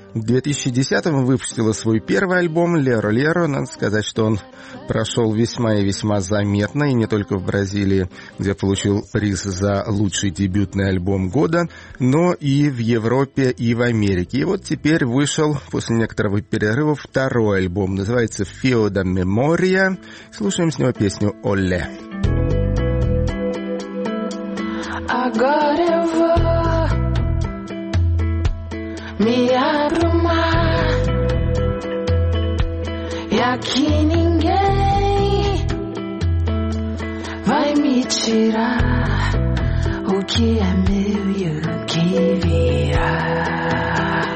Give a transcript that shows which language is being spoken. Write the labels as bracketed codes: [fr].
[ru] В 2010-м выпустила свой первый альбом «Леро Леро». Надо сказать, что он прошел весьма и весьма заметно, и не только в Бразилии, где получил приз за лучший дебютный альбом года, но и в Европе, и в Америке. И вот теперь вышел, после некоторого перерыва, второй альбом. Называется «Fio da Memoria». Слушаем с него песню «Оле». [pt] Agora eu vou me arrumar e aqui ninguém vai me tirar o que é meu e o que virá.